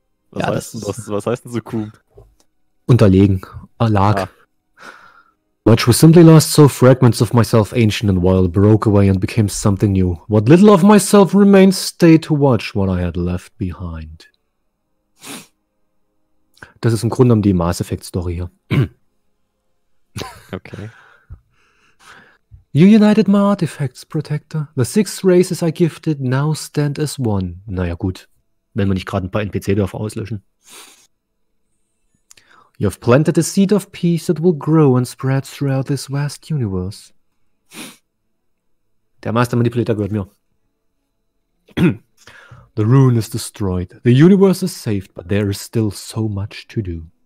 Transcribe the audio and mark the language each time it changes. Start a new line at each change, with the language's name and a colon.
German: Was, ja, heißt, was heißt denn succumbed? Unterlegen, erlag.
English: Much was simply lost, so fragments of myself, ancient and wild, broke away and became something new. What little of myself remains, stay to watch what I had left behind.
German: Das ist im Grunde genommen die Mass Effect Story hier. Okay.
English: You united my artifacts, Protector. The six races I gifted now stand as one.
German: Naja gut, wenn wir nicht gerade ein paar NPC dürfen auslöschen.
English: You have planted a seed of peace that will grow and spread throughout this vast universe.
German: Der Master Manipulator gehört mir.
English: The rune is destroyed. The universe is saved, but there is still so much to do.